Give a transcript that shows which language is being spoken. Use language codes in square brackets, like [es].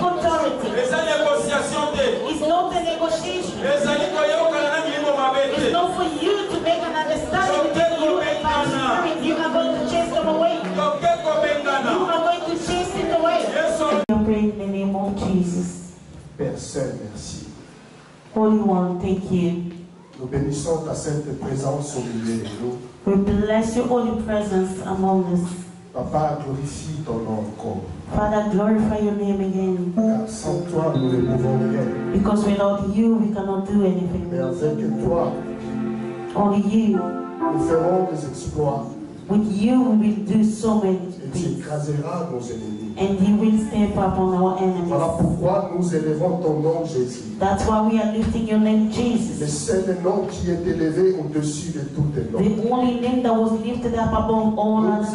[en] authority. It's not a negotiation. It's not for you to make another study between you and the spirit. You are going to chase them away. You are going to chase it away. And you pray in the name of Jesus. [fr] Merci. [en] Holy One, thank you. [fr] Nous bénissons ta sainte présence au milieu de nous. [en] We bless your holy presence among us. [fr] Papa, glorifie ton nom encore. [en] Father, glorify your name again. [fr] Sans toi, nous ne pouvons rien. [en] Because without you, we cannot do anything. [fr] Mais avec toi, [en] only you, [fr] nous ferons des exploits. [en] With you, we will do so many things. [fr] Et tu écraseras nos ennemis. [en] And you will step up on our enemies. [fr] Voilà pourquoi nous élevons ton nom, Jésus. [en] That's why we are lifting your name, Jesus. [fr] Le seul nom qui est élevé au-dessus de tout les noms. [en] The only name that was lifted up above all other names.